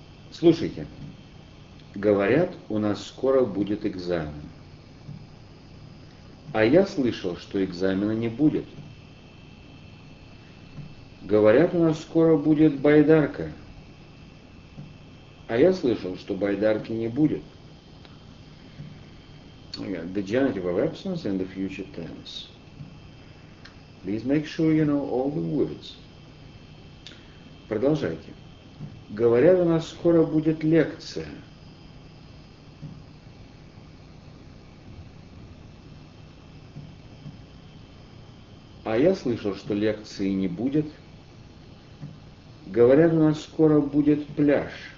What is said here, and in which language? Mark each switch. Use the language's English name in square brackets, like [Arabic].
[Russian] Слушайте, говорят, у нас скоро будет экзамен. А я слышал, что экзамена не будет. Говорят, у нас скоро будет байдарка. А я слышал, что байдарки не будет. [English] The genitive of absence and the future tense. Please make sure you know all the words. [Russian] Продолжайте. Говорят, у нас скоро будет лекция. А я слышал, что лекции не будет. Говорят, у нас скоро будет пляж.